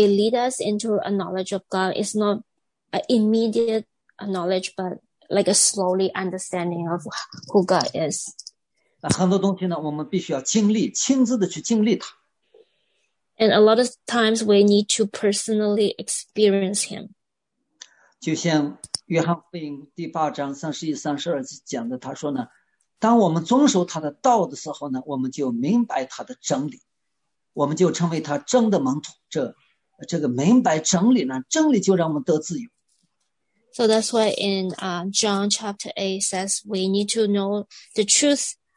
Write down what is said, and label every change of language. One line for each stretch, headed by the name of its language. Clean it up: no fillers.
English: how we lead us into a knowledge of God is not an immediate. A knowledge, but like a slowly understanding of who God is.
Chinese: 很多东西呢，我们必须要经历，亲自的去经历它。
English: And a lot of times we need to personally experience Him.
Chinese: 就像约翰福音第8章31、32节讲的，他说呢，当我们遵守他的道的时候呢，我们就明白他的真理，我们就成为他真的门徒。这个明白真理呢，真理就让我们得自由。
English: So that's why in John chapter 8 says we need to know the truth.